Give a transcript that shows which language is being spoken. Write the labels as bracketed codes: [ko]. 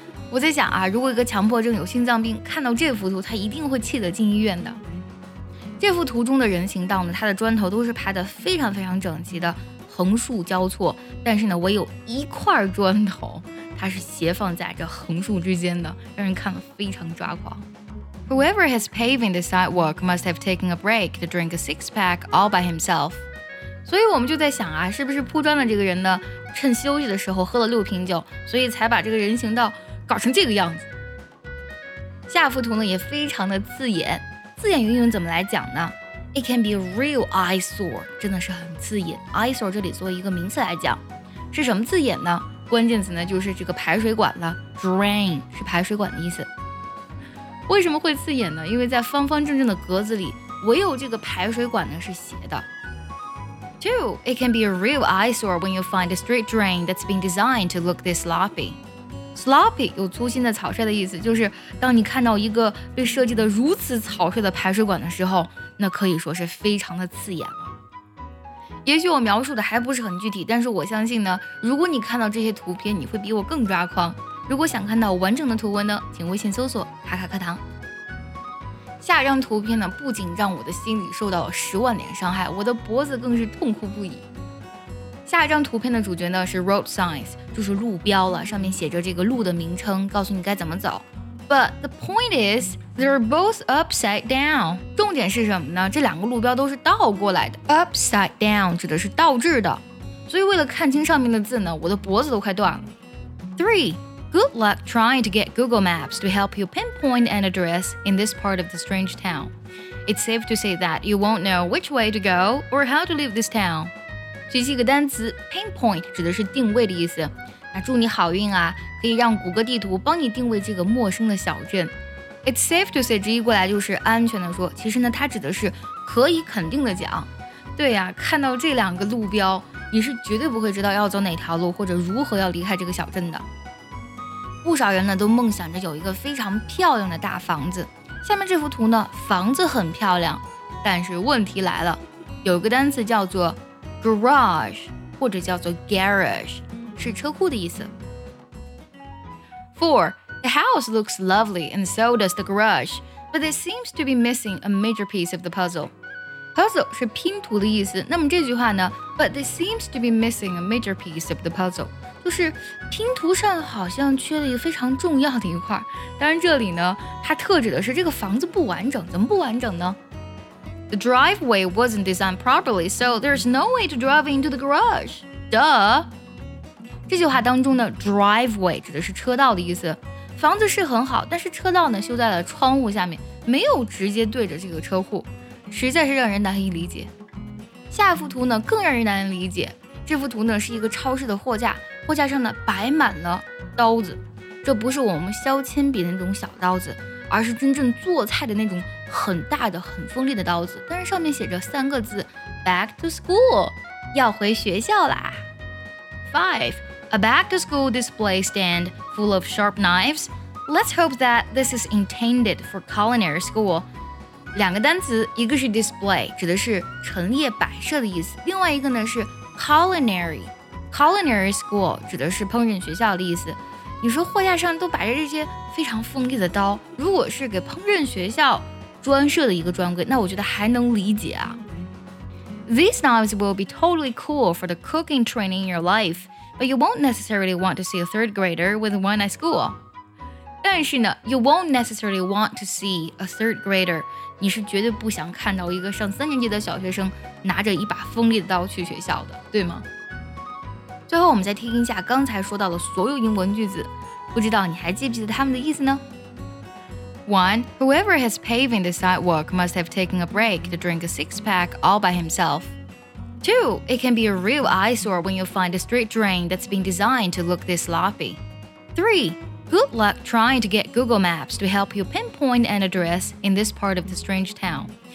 [zh] 我在想啊，如果一个强迫症有心脏病，看到这幅图他一定会气得进医院的。这幅图中的人行道呢，它的砖头都是排得非常非常整齐的，横竖交错，但是呢唯有一块砖头它是斜放在这横竖之间的，让人看得非常抓狂。 [en] Whoever has paving the sidewalk must have taken a break to drink a six pack all by himself。 [zh] 所以我们就在想啊，是不是铺砖的这个人呢趁休息的时候喝了六瓶酒，所以才把这个人行道搞成这个样子。下幅图呢也非常的刺眼，刺眼英文怎么来讲呢？ [en] It can be a real eyesore， [zh] 真的是很刺眼。 eyesore 这里作为一个名词来讲，是什么刺眼呢？关键词呢就是这个排水管了。drain 是排水管的意思。为什么会刺眼呢？因为在方方正正的格子里，唯有这个排水管呢是斜的。 [en] Two， it can be a real eyesore when you find a street drain that's been designed to look this sloppy。 [zh] Sloppy 有粗心的、草率的意思，就是当你看到一个被设计的如此草率的排水管的时候，那可以说是非常的刺眼了。也许我描述的还不是很具体，但是我相信呢，如果你看到这些图片，你会比我更抓狂。如果想看到完整的图文呢，请微信搜索卡卡课堂。下一张图片呢，不仅让我的心里受到了十万点伤害，我的脖子更是痛哭不已。下一张图片的主角呢是 road signs， 就是路标了，上面写着这个路的名称，告诉你该怎么走。 [en] But the point is they're both upside down。 [zh] 重点是什么呢？这两个路标都是倒过来的。upside down 指的是倒置的，所以为了看清上面的字呢，我的脖子都快断了。 3. [en] Good luck trying to get Google Maps to help you pinpoint an address in this part of the strange town. It's safe to say that you won't know which way to go or how to leave this town。 [zh] 学习一个单词 pinpoint 指的是定位的意思，那祝你好运啊，可以让谷歌地图帮你定位这个陌生的小镇。 [en] It's safe to say [zh] 直译过来就是安全的说，其实呢它指的是可以肯定的讲。对啊，看到这两个路标你是绝对不会知道要走哪条路或者如何要离开这个小镇的。不少人呢都梦想着有一个非常漂亮的大房子，下面这幅图呢房子很漂亮，但是问题来了，有一个单词叫做Garage 或者叫做 Garage， 是车库的意思。 4. [en] The house looks lovely and so does the garage, but it seems to be missing a major piece of the puzzle. [zh] Puzzle 是拼图的意思，那么这句话呢 [en] But it seems to be missing a major piece of the puzzle， [zh] 就是拼图上好像缺了一个非常重要的一块。当然这里呢它特指的是这个房子不完整。怎么不完整呢？ [en] The driveway wasn't designed properly, so there's no way to drive into the garage. Duh! [zh] 这句话当中的 driveway 指的是车道的意思。房子是很好，但是车道呢修在了窗户下面，没有直接对着这个车库，实在是让人难以理解。下一幅图呢更让人难以理解。这幅图呢是一个超市的货架，货架上呢摆满了刀子。这不是我们削铅笔的那种小刀子，而是真正做菜的那种很大的很锋利的刀子，但是上面写着三个字 [en] Back to school， [zh] 要回学校啦。 5. [en] A back to school display stand full of sharp knives. Let's hope that this is intended for culinary school. [zh] 两个单词，一个是 display 指的是陈列摆设的意思，另外一个呢是 culinary， culinary school 指的是烹饪学校的意思。你说货架上都摆着这些非常锋利的刀，如果是给烹饪学校专设的一个专柜，那我觉得还能理解啊。 [en] These knives will be totally cool for the cooking training in your life, but you won't necessarily want to see a third grader with one at school. [zh] 但是呢 [en] you won't necessarily want to see a third grader， [zh] 你是绝对不想看到一个上三年级的小学生拿着一把锋利的刀去学校的，对吗？最后我们再听一下刚才说到的所有英文句子，不知道你还记不记得他们的意思呢？ 1. [en] Whoever has paving the sidewalk must have taken a break to drink a six-pack all by himself. 2. It can be a real eyesore when you find a street drain that's been designed to look this sloppy. 3. Good luck trying to get Google Maps to help you pinpoint an address in this part of the strange town.